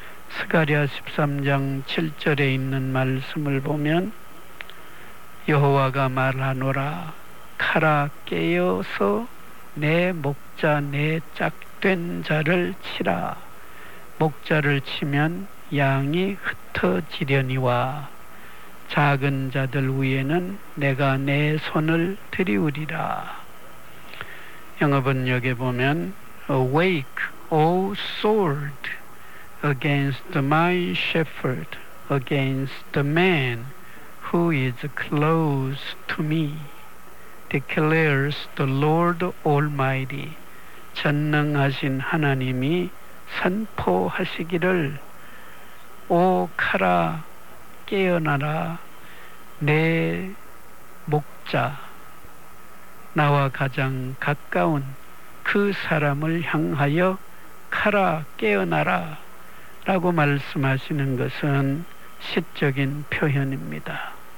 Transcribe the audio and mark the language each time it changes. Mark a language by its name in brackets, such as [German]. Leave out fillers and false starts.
[Korean] 스가랴 13장 7절에 있는 말씀을 보면 여호와가 말하노라 칼아 깨어서 내 목자 내 짝된 자를 치라 목자를 치면 양이 흩어지려니와 작은 자들 위에는 내가 내 손을 드리우리라. 영어 번역에 보면 [English] Awake, O sword, against my shepherd, against the man who is close to me, declares the Lord Almighty. [Korean] 전능하신 하나님이 선포하시기를 오 카라 깨어나라 내 목자 나와 가장 가까운 그 사람을 향하여 가라 깨어나라 라고 말씀하시는 것은 시적인 표현입니다.